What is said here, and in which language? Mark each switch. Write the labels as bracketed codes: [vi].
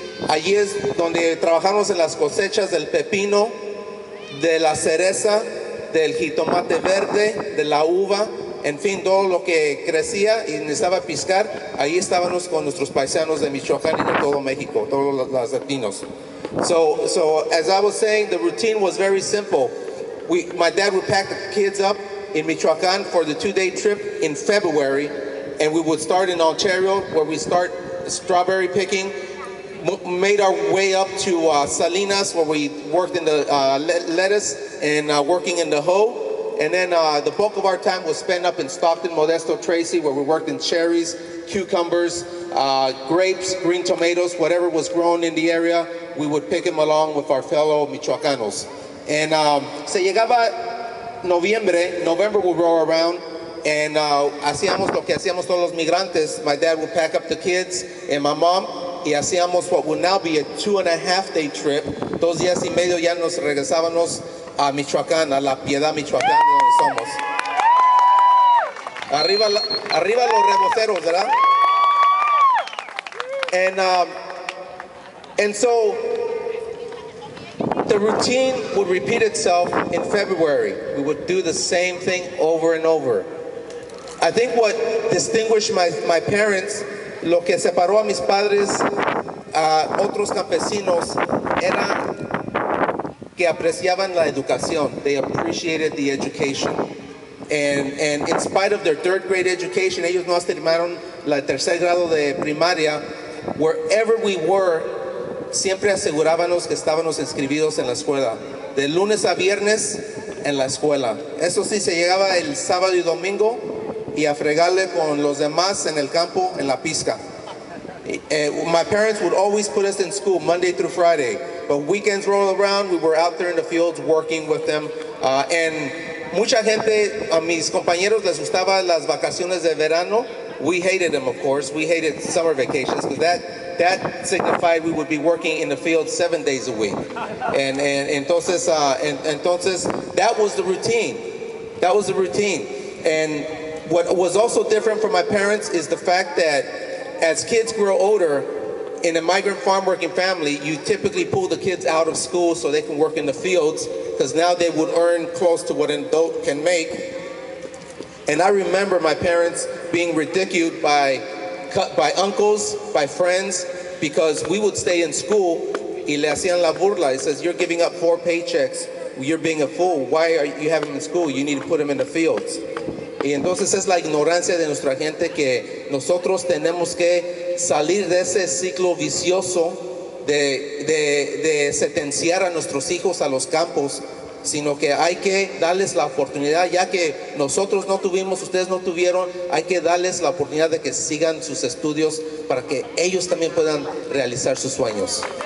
[es] Allí es donde trabajamos en las cosechas del pepino, de la cereza, del jitomate verde, de la uva, en fin, todo lo que crecía y necesitaba piscar. Ahí estábamos con nuestros paisanos de Michoacán y de todo México, todos los latinos. [en] So, as I was saying, the routine was very simple. My dad would pack the kids up in Michoacán for the two-day trip in February, and we would start in Ontario, where we start strawberry picking, made our way up to Salinas, where we worked in the lettuce and working in the hoe, and then the bulk of our time was spent up in Stockton, Modesto, Tracy, where we worked in cherries, cucumbers, grapes, green tomatoes, whatever was grown in the area, we would pick him along with our fellow Michoacanos. And [es] se llegaba noviembre, [en] November would roll around, and [es] hacíamos lo que hacíamos todos los migrantes. [en] My dad would pack up the kids and my mom, [es] y hacíamos [en] what would now be a 2.5-day trip. [es] 2 días y medio ya nos regresábamos a Michoacán, a la Piedad Michoacán, donde somos. Arriba, arriba los reboceros, ¿verdad? [en] And so the routine would repeat itself in February. We would do the same thing over and over. I think what distinguished my parents, [es] lo que separó a mis padres a otros campesinos, era que apreciaban la educación. [en] They appreciated the education. And in spite of their third grade education, [es] ellos no terminaron la tercer grado de primaria. [en] Wherever we were, [es] siempre asegurábamos que estábamos inscribidos en la escuela. De lunes a viernes, en la escuela. Eso sí, se llegaba el sábado y domingo y a fregarle con los demás en el campo, en la pizca. [en] My parents would always put us in school Monday through Friday. But weekends rolled around, we were out there in the fields working with them. [es] And mucha gente, a mis compañeros les gustaba las vacaciones de verano. [en] We hated them, of course. We hated summer vacations because that signified we would be working in the field 7 days a week. And entonces that was the routine. That was the routine. And what was also different for my parents is the fact that as kids grow older, in a migrant farm working family, you typically pull the kids out of school so they can work in the fields because now they would earn close to what an adult can make. And I remember my parents being ridiculed by uncles, by friends, because we would stay in school [es] y le hacían la burla. [en] It says, you're giving up 4 paychecks. You're being a fool. Why are you having them in school? You need to put them in the fields. [es] Y entonces es la ignorancia de nuestra gente que nosotros tenemos que salir de ese ciclo vicioso de sentenciar a nuestros hijos a los campos, sino que hay que darles la oportunidad, ya que nosotros no tuvimos, ustedes no tuvieron, hay que darles la oportunidad de que sigan sus estudios para que ellos también puedan realizar sus sueños.